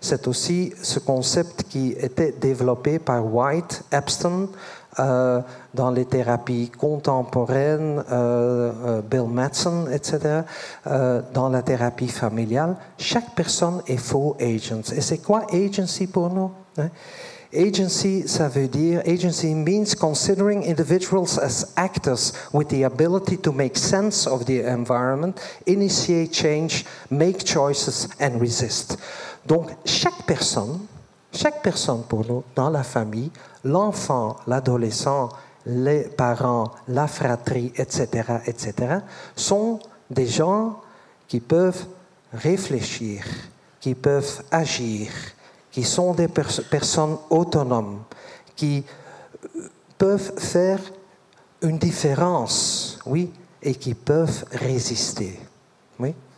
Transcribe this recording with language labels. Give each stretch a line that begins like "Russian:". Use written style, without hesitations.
French: C'est aussi ce concept qui était développé par White, Epstein, dans les thérapies contemporaines, Bill Mattson, etc., dans la thérapie familiale, chaque personne est faux agent. Et c'est quoi agency pour nous, hein?
English: Agency,
French: ça veut dire,
English: agency means considering individuals as actors with the ability to make sense of the environment, initiate change, make choices and resist.
French: Donc, chaque personne pour nous, dans la famille, l'enfant, l'adolescent, les parents, la fratrie, etc., etc., sont des gens qui peuvent réfléchir, qui peuvent agir, qui sont des personnes autonomes, qui peuvent faire une différence, oui, et qui peuvent résister. Oui.